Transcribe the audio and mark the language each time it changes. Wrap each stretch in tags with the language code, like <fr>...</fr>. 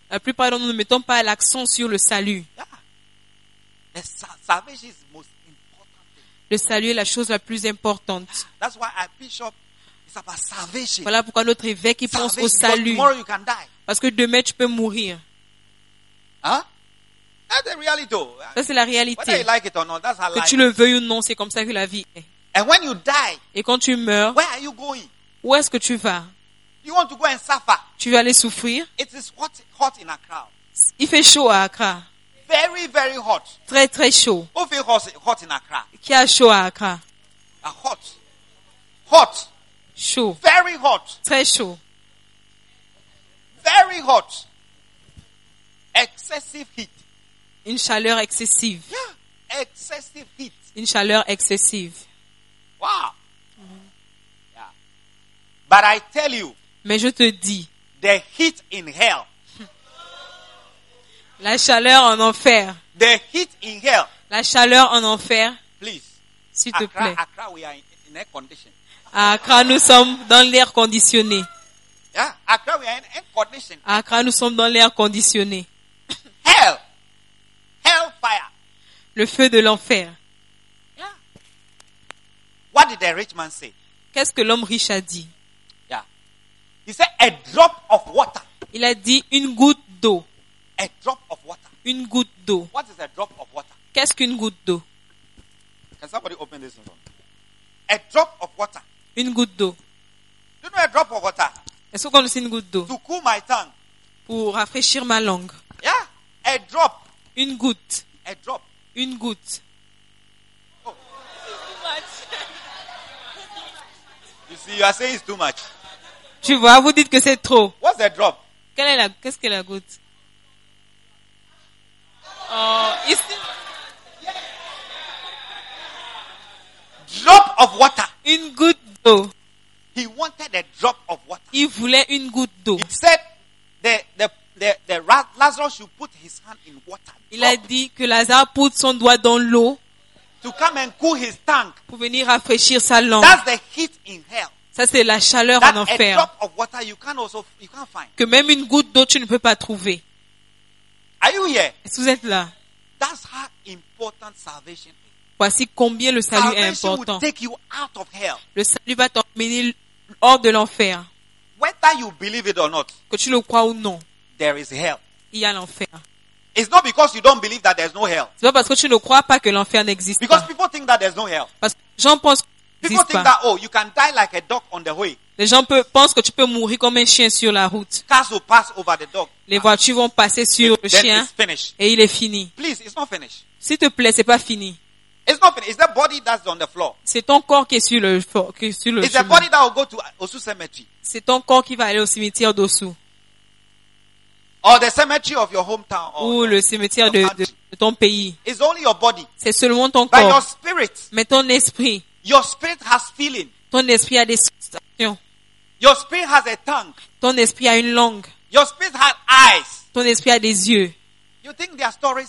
<fr>La plupart d'entre nous ne mettons pas l'accent sur le salut.</fr> <en>Salvation is most important.</en> <fr>Le salut est la chose la plus importante.</fr> <en>That's why our bishop is about salvation.</en> <fr>Voilà pourquoi notre évêque il pense au salut.</fr> <en>Tomorrow you can die.</en> <fr>Parce que demain tu peux mourir. Hein?</fr> <en>That's the reality.</en> <fr>Ça c'est la réalité.</fr> <en>Whether you like it or not, that's how</en> <fr>que</fr> <en>life</en> <fr>tu le veuilles ou non, c'est comme ça que la vie est.</fr> <en>And when you die,</en> <fr>et quand tu meurs,</fr> <en>where are you going?</en> <fr>Où est-ce que tu vas?</fr> <en>You want to go and suffer.</en> <fr>Tu veux aller souffrir?</fr> <en>It is hot, hot in Accra.</en> <fr>Il fait chaud à Accra.</fr> <en>Very, very hot.</en> <fr>Très, très chaud.</fr> <en>Who feels hot, hot in Accra?</en> <fr>Qui a chaud à Accra?</fr> <en>A hot. Hot.</en> <fr>Chaud.</fr> <en>Very hot.</en> <fr>Très chaud.</fr> <en>Very hot. Excessive heat.</en> <fr>Une chaleur excessive.</fr> <en>Yeah. Excessive heat.</en> <fr>Une chaleur excessive.</fr> <en>Wow. Mm-hmm. Yeah. But I tell you,</en> <fr>mais je te dis,</fr> <en>the heat in hell,</en> <fr>la chaleur en enfer,</fr> <en>the heat in hell,</en> <fr>la chaleur en enfer,</fr> <en>please,</en> <fr>s'il te plaît,</fr> <en>Accra, we are in air condition.</en> <fr>Accra, nous sommes dans l'air conditionné.</fr> <en>Yeah, Accra, we are in air condition.</en> <fr>Accra, nous sommes dans l'air conditionné.</fr> <en>Hell, hellfire,</en> <fr>le feu de l'enfer. Yeah.</fr> <en>What did the rich man say?</en> <fr>Qu'est-ce que l'homme riche a dit?</fr> <en>He said, "A drop of water."</en> <fr>Il a dit une goutte d'eau.</fr> <en>A drop of water.</en> <fr>Une goutte d'eau.</fr> <en>What is a drop of water?</en> <fr>Qu'est-ce qu'une goutte d'eau?</fr> <en>Can somebody open this one? A drop of water.</en> <fr>Une goutte d'eau.</fr> <en>Do you know a drop of water?</en> <fr>Est-ce qu'on connaît une goutte d'eau?</fr> <en>To cool my tongue.</en> <fr>Pour rafraîchir ma langue.</fr> <en>Yeah, a drop.</en> <fr>Une goutte.</fr> <en>A drop.</en> <fr>Une goutte.</fr> <en>Oh. Too much. You see, you are saying it's too much.</en> <fr>Tu vois, vous dites que c'est trop.</fr> <en>What's the drop?</en> <fr>Quelle est la, qu'est-ce que la goutte? Oh, ici.</fr> <en>Drop of water.</en> <fr>Une goutte d'eau.</fr> <en>He wanted a drop of water.</en> <fr>Il voulait une goutte d'eau.</fr> <en>He said the Lazarus should put his hand in water.</en> <fr>Il a dit que Lazare pousse son doigt dans l'eau.</fr> <en>To come and cool his tongue.</en> <fr>Pour venir rafraîchir sa langue.</fr> <en>That's the heat in hell.</en> <fr>Ça, c'est la chaleur</fr> <en>that</en> <fr>en enfer.</fr> <en>A drop of water you can also, you can't find.</en> <fr>Que même une goutte d'eau, tu ne peux pas trouver.</fr> <en>Are you here?</en> <fr>Est-ce que vous êtes là?</fr> <en>That's how important salvation is.</en> <fr>Voici combien le salut</fr> <en>salvation</en> <fr>est important.</fr> <en>Will take you out of hell.</en> <fr>Le salut va t'emmener hors de l'enfer.</fr> <en>Whether you believe it or not,</en> <fr>que tu le crois ou non,</fr> <en>there is hell.</en> <fr>Il y a l'enfer.</fr> <en>It's not because you don't believe that there's no hell.</en> <fr>C'est pas parce que tu ne crois pas que l'enfer n'existe</fr> <en>because</en> <fr>pas.</fr> <en>People think that there's no hell.</en> <fr>Parce que j'en pense.</fr> <en>People think that oh, you can die like a dog on the way.</en> <fr>Les gens pensent que tu peux mourir comme un chien sur la route.</fr> <en>Cars will pass over the dog.</en> <fr>Les voitures vont passer sur le chien.</fr> <en>Then it's finished.</en> <fr>Et il est fini.</fr> <en>Please, it's not finished.</en> <fr>S'il te plaît, c'est pas fini.</fr> <en>It's not finished. It's the body that's on the floor.</en> <fr>C'est ton corps qui est sur le chemin.</fr> <en>It's the body that will go to Osu cemetery.</en> <fr>C'est ton corps qui va aller au cimetière d'Osu.</fr> <en>Or the cemetery of your hometown.</en> <fr>Ou le cimetière de ton pays.</fr> <en>It's only your body.</en> <fr>C'est seulement ton</fr> <en>By</en> <fr>corps.</fr> <en>By your spirit.</en> <fr>Mais ton esprit.</fr> <en>Your spirit has feeling.</en> <fr>Ton esprit a des sensations.</fr> <en>Your spirit has a tongue.</en> <fr>Ton esprit a une langue.</fr> <en>Your spirit has eyes.</en> <fr>Ton esprit a des yeux.</fr> <en>You think they are stories?</en>